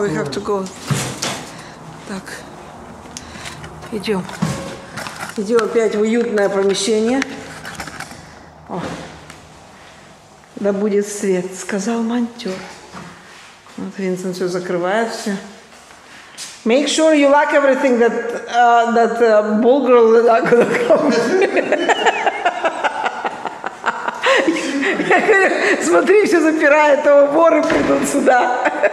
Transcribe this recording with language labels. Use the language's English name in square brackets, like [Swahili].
[English] we have to go. [Russian] Так. Идем. Идем опять в уютное помещение. О. Да будет свет, сказал монтёр. Вот Винсент все закрывает, все. [English] Make sure you lock everything that bull girl is not gonna come. [Russian] Смотри, все запирает, то воры придут сюда.